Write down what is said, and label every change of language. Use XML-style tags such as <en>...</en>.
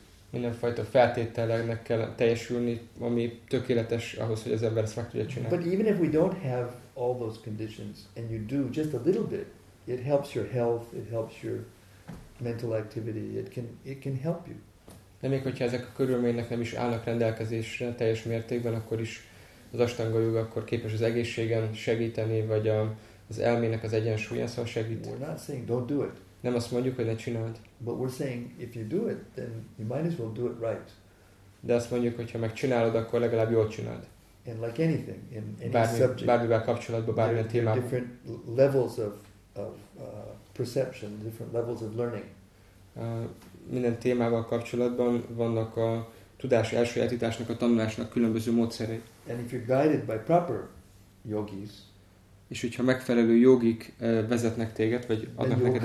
<hu>Mindenfajta feltételeknek kell teljesülni, ami tökéletes ahhoz, hogy az ember ezt meg tudja csinálni.</hu> <en>But even if we don't have all those conditions and you do just a little bit, it helps your health, it helps your mental activity, it can help you.</en> <hu>De még hogyha ezek a körülmények nem is állnak rendelkezésre teljes mértékben, akkor is az Ashtanga yoga akkor képes az egészségen segíteni, vagy az elmének az egyensúlyán, szóval segít.</hu> <en>We're not saying don't do it.</en> <hu>Nem azt mondjuk, hogy ne csináld.</hu> <en>But we're saying if you do it, then you might as well do it right.</en> <hu>De azt mondjuk, hogy ha megcsinálod, akkor legalább jól csináld.</hu> <en>And like anything, in any subject,</en> <hu>bármivel kapcsolatban, bármilyen témában.</hu> <en>There are different levels of perception, different levels of learning.</en> <hu>Minden témával kapcsolatban vannak a tudás elsajátításnak, a tanulásnak különböző módszerei.</hu> <en>And if you're guided by proper yogis,</en> <hu>és hogyha megfelelő jogik vezetnek téged, vagy adnak neked</hu>